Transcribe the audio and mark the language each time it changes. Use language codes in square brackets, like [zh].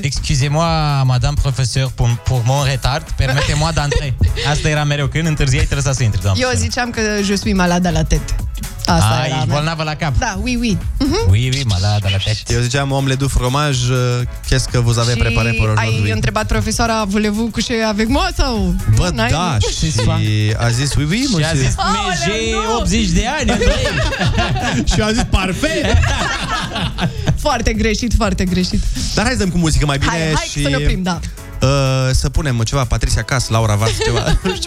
[fr] Excusez-moi, madame professeur, pour mon retard, permettez-moi d'entrer. [ro] Asta era mereu, când întârziai, trebuia să intri, doamnă. Eu ziceam că [fr] je suis malade à la tête. [ro] Asta era. Ești bolnavă la cap. Da, [fr] oui, oui. Oui, oui, malade à la tête. [ro] Eu ziceam, [fr] omelette du fromage, qu'est-ce que vous avez préparé pour aujourd'hui? [ro] Ai întrebat profesoara, [fr] voulez-vous coucher avec moi [ro] sau? Bă, da, și a zis, [fr] oui, oui, monsieur. [ro] Și a zis, [fr] j'ai [ro] 80 de ani. Și a zis, [fr] parfait. [ro] Foarte greșit, foarte greșit. Dar hai să dăm cu muzică mai bine. Hai și... să ne oprim, da. Să punem ceva, Patricia Cas, Laura Vaz, ceva.